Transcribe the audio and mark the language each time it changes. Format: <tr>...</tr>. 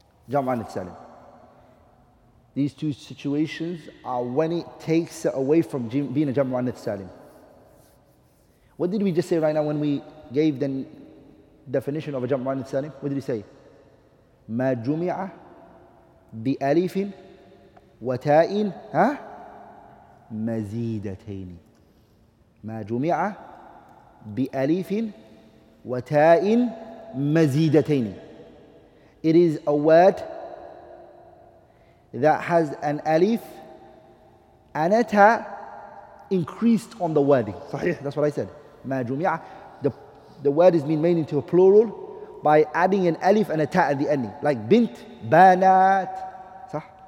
<en>Jam'u al-Nithani. These two situations are when it takes it away from being a Jam'u al-Nithani. What did we just say right now when we gave the definition of a Jam'u al-Nithani? What did we say?</en> <ar>ما جمع بألف وتاء مزيدتين. ما جمع بألف وتاء مزيدتين.</ar> <en>It is a word that has an alif and a ta increased on the wording.</en> <ar>صحيح.</ar> <en>That's what I said.</en> <ar>ما جمع.</ar> <en>The word is made into a plural by adding an alif and a ta at the ending, like bint, banat,</en> <ar>صح?</ar>